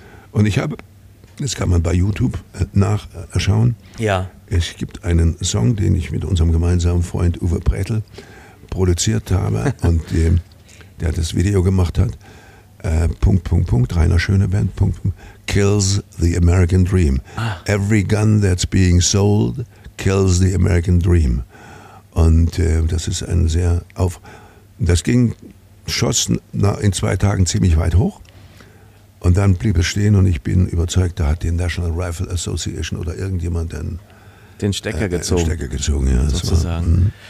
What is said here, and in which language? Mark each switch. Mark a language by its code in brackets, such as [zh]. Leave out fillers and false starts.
[de] Und ich habe, das kann man bei YouTube nachschauen, ja. es gibt einen Song, den ich mit unserem gemeinsamen Freund Uwe Prätl produziert habe und der das Video gemacht hat, Punkt, Punkt, Punkt, Rainer Schöneband, Punkt, Punkt, kills the American Dream. Ah. [en] Every gun that's being sold kills the American Dream. [de] Und das ist ein sehr, das ging, schoss in zwei Tagen ziemlich weit hoch. Und dann blieb es stehen und ich bin überzeugt, da hat die National Rifle Association oder irgendjemand den Stecker gezogen. Stecker gezogen, ja. Sozusagen.